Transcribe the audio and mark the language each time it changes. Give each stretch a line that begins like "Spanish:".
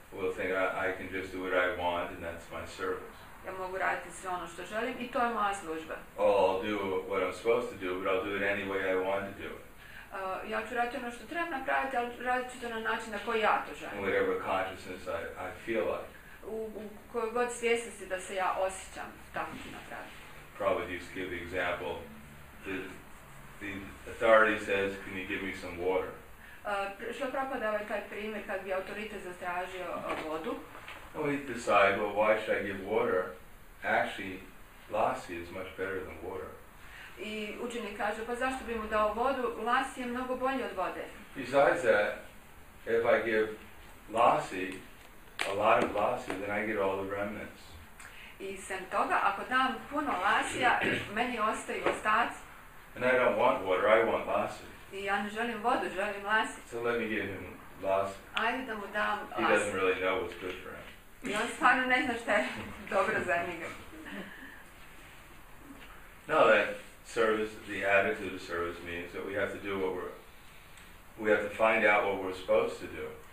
English: We'll think, I can just do what I want and that's my service.
Croatian: Ja mogu raditi sve ono što želim i to je moja služba.
English: Oh, I'll do what I'm supposed to do, but I'll do it any way I want to do it.
Croatian: Ja ću raditi ono što trebam napraviti, ali radit ću to na način na koji ja to želim.
English: Whatever consciousness I feel like.
Croatian: U kojoj god svjesnosti da se ja osjećam, tako ću napraviti.
English: Probably just give the example. The authority says, can you give me some water?
Croatian: Šlo pravo da ovaj taj primjer kad bi autoritet zatražio vodu.
English: Well, we decide, well, why should I give water? Actually, lassi is much better than water.
Croatian: I učenik kaže, pa zašto bi mu dao vodu? Lassi je mnogo bolji od vode.
English: Besides that, if I give lassi, a lot of lassi, then I get all the remnants.
Croatian: I sem toga, ako dam puno lassija, meni ostaju ostaci.
English: And I don't want water, I want lassi.
Croatian: I ja ne želim vodu, želim lassi.
English: So let me give him lassi.
Croatian: Ajde da mu dam lassi.
English: He doesn't really know what's good for him.
Croatian: I on stvarno ne zna šta je dobro za njega.
English: No, that service, the attitude of service means that we have to do what we have to find out what we're supposed to do.